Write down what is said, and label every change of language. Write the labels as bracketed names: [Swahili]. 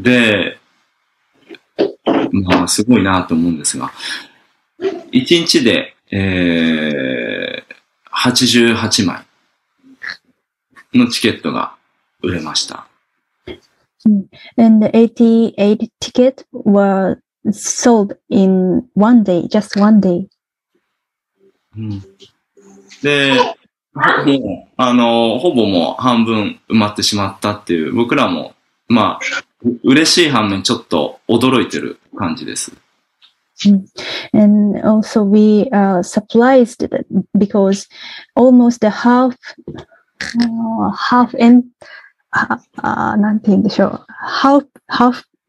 [Japanese] で、まあ、すごいなと思うんですが、一日で、88枚のチケットが売れました。 [English] And 88 tickets were sold in one day, just one day. [Japanese] で、もう、ほぼもう半分埋まってしまったっていう、僕らも、まあ、嬉しい反面ちょっと驚いてる感じです。 [English] And also we are surprised because almost a half, half and, [Japanese] なんて言うんでしょう。 [English] half,